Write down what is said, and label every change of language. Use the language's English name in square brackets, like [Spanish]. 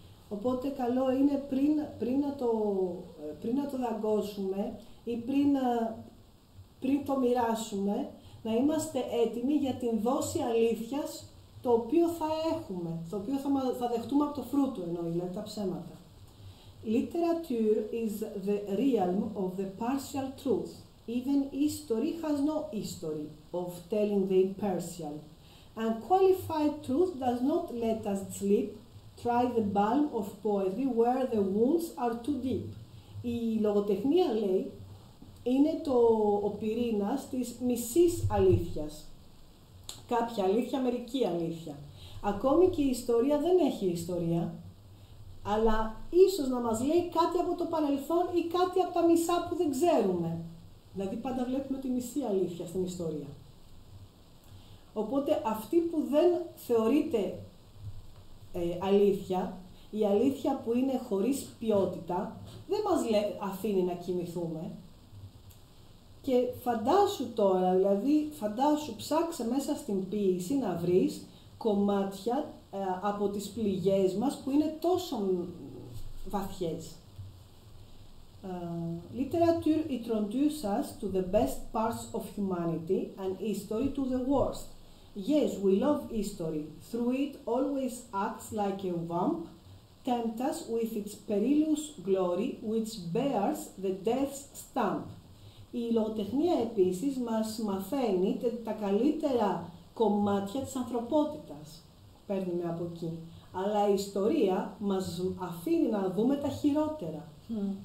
[Greek] Οπότε καλό είναι πριν να το δαγκώσουμε ή πριν το μοιράσουμε, να είμαστε έτοιμοι για την δόση αλήθειας το οποίο θα έχουμε, το οποίο θα δεχτούμε από το φρούτο, εννοεί, λέει, τα ψέματα. [English] Literature is the realm of the partial truth. Even history has no history of telling the impartial. Unqualified truth does not let us sleep. Try the balm of poetry where the wounds are too deep. [Greek] Η λογοτεχνία, λέει, είναι ο πυρήνας της μισής αλήθειας. Κάποια αλήθεια, μερική αλήθεια. Ακόμη και η ιστορία δεν έχει ιστορία, αλλά ίσως να μας λέει κάτι από το παρελθόν ή κάτι από τα μισά που δεν ξέρουμε. Δηλαδή πάντα βλέπουμε τη μισή αλήθεια στην ιστορία. Οπότε αυτή που δεν θεωρείται αλήθεια, η αλήθεια που είναι χωρίς ποιότητα, δεν μας αφήνει να κοιμηθούμε. Και φαντάσου τώρα, δηλαδή φαντάσου, ψάξε μέσα στην ποίηση να βρεις κομμάτια από τις πληγές μας που είναι τόσο βαθιές. [English] Literature introduces us to the best parts of humanity and history to the worst. Yes, we love history. Through it always acts like a vamp, tempt us with its perilous glory, which bears the death's stamp. [Greek] Η λογοτεχνία επίσης μας μαθαίνει τα καλύτερα κομμάτια της ανθρωπότητας. Παίρνουμε από εκεί. Αλλά η ιστορία μας αφήνει να δούμε τα χειρότερα. Mm.